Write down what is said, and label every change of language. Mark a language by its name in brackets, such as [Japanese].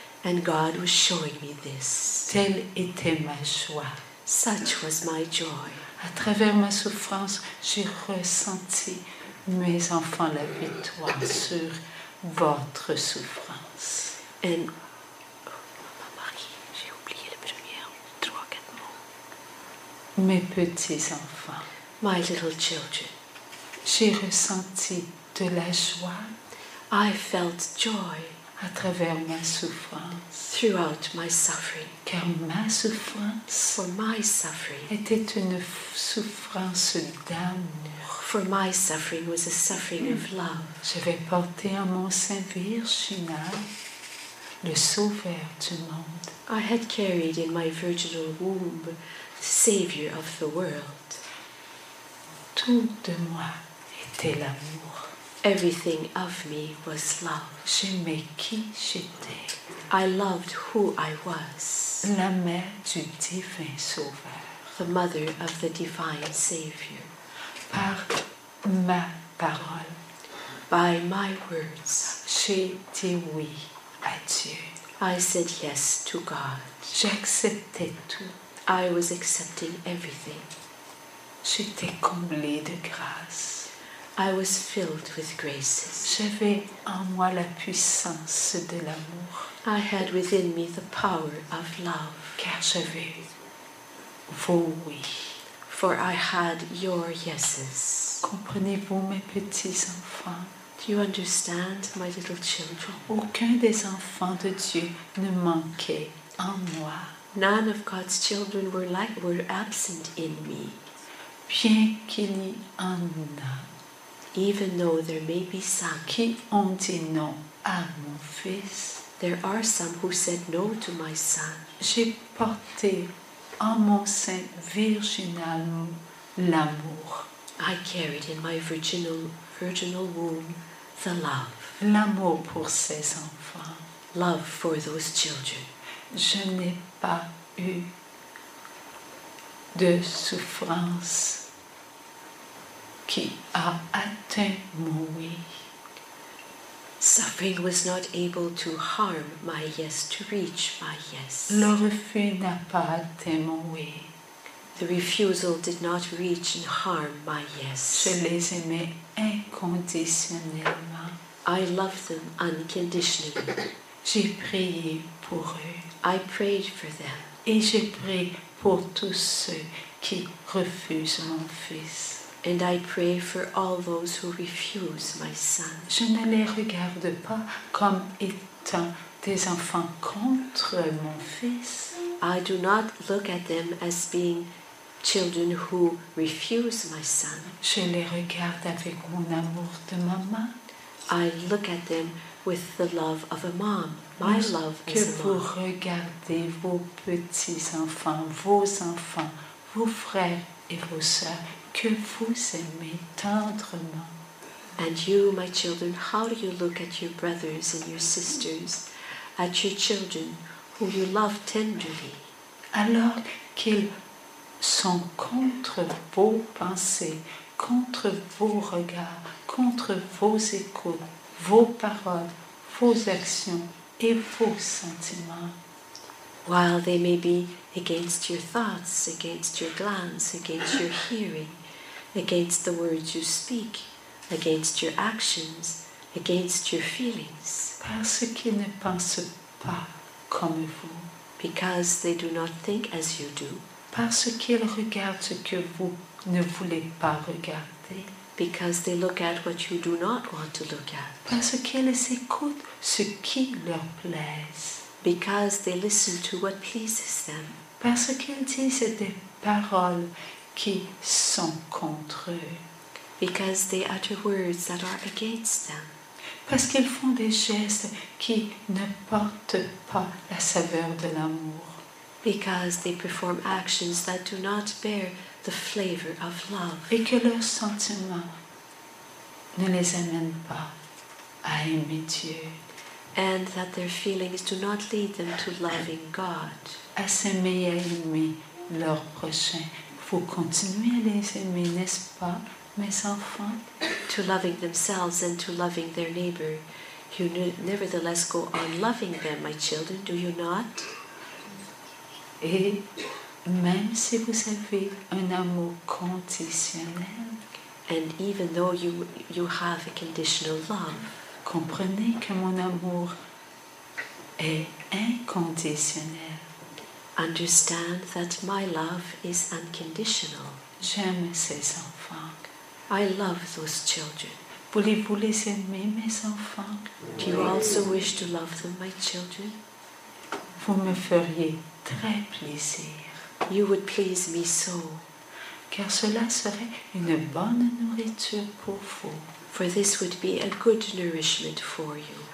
[English] And God was showing me this. [French] Telle était ma joie. [English] Such was my joy. [French] À travers ma souffrance, j'ai ressenti, mes enfants, la victoire sur votre souffrance. And Maman Marie, j'ai oublié le premier, trois, quatre mots. Mes petits enfants. [English] My little children. [French] J'ai ressenti de la joie. [English] I felt joy. [French] À travers ma souffrance. [English] Throughout my suffering. [French] Car ma souffrance. [English] For my suffering. [French] Était une souffrance d'amour. [English] For my suffering was a suffering of love. [French] J'avais porté en mon sein virginal le sauveur du monde. [English] I had carried in my virginal womb the savior of the world. [French] Tout de moi était l'amour. [English] Everything of me was love. [French] J'aimais qui j'étais. [English] I loved who I was. [French] La mère du divin sauveur. [English] The mother of the divine savior. [French] Par ma parole. [English] By my words. [French] J'ai dit oui à Dieu. [English] I said yes to God. [French] J'acceptais tout. [English] I was accepting everything. [French] J'étais comblée de grâce. [English] I was filled with graces. [French] J'avais en moi la puissance de l'amour. [English] I had within me the power of love. [French] Car j'avais vos oui. [English] For I had your yeses. [French] Comprenez-vous, mes petits enfants? [English] Do you understand, my little children? [French] Aucun des enfants de Dieu ne manquait en moi. [English] None of God's children were absent in me. [French] Bien qu'il y en a. [English] Even though there may be some. [French] Qui ont dit non à mon fils. [English] There are some who said no to my son. [French] J'ai porté en mon sein virginal l'amour. [English] I carried in my virginal womb the love. [French] L'amour pour ses enfants. [English] Love for those children. [French] Je n'ai pas eu de souffrance qui a atteint mon oui. [English] Suffering was not able to harm my yes, to reach my yes. [French] Le refus n'a pas atteint mon oui. [English] The refusal did not reach and harm my yes. [French] Je les aimais inconditionnellement. [English] I loved them unconditionally. [French] J'ai prié pour eux. [English] I prayed for them. [French] Et j'ai prié pour tous ceux qui refusent mon fils. [English] And I pray for all those who refuse my son. [French] Je ne les regarde pas comme étant des enfants contre mon fils. [English] I do not look at them as being children who refuse my son. [French] Je les regarde avec mon amour de maman. [English] I look at them with the love of a mom. My love [French] que vous regardez vos petits-enfants, vos enfants, vos frères et vos sœurs, que vous aimez tendrement. [English] And you, my children, how do you look at your brothers and your sisters, at your children, whom you love tenderly? [French] Alors qu'ils sont contre vos pensées, contre vos regards, contre vos écoutes, vos paroles, vos actions, et vos sentiments. [English] While they may be against your thoughts, against your glance, against your hearing, against the words you speak, against your actions, against your feelings. [French] Parce qu'ils ne pensent pas comme vous. [English] Because they do not think as you do. [French] Parce qu'ils regardent ce que vous ne voulez pas regarder. [English] Because they look at what you do not want to look at. [French] Parce qu'elles écoutent ce qui leur plaise. [English] Because they listen to what pleases them. [French] Parce qu'elles disent des paroles qui sont contre eux. [English] Because they utter words that are against them. [French] Parce qu'ils font des gestes qui ne portent pas la saveur de l'amour. [English] Because they perform actions that do not bear the flavor of love. [French] Et que leurs sentiments ne les amènent pas à aimer Dieu. [English] And that their feelings do not lead them to loving God. [French] À s'aimer et à aimer leur prochain. Vous continuez à les aimer, n'est-ce pas, mes enfants? [English] To loving themselves and to loving their neighbor. You nevertheless go on loving them, my children, do you not? [French] Et même si vous avez un amour conditionnel, [English] and even though you have a conditional love, [French] comprenez que mon amour est inconditionnel. [English] Understand that my love is unconditional. [French] J'aime ces enfants. [English] I love those children. [French] Voulez-vous les aimer, mes enfants? [English] Do you also wish to love them, my children? [French] Vous me feriez très plaisir. [English] You would please me so. [French] Car cela serait une bonne nourriture pour vous. [English] For this would be a good nourishment for you.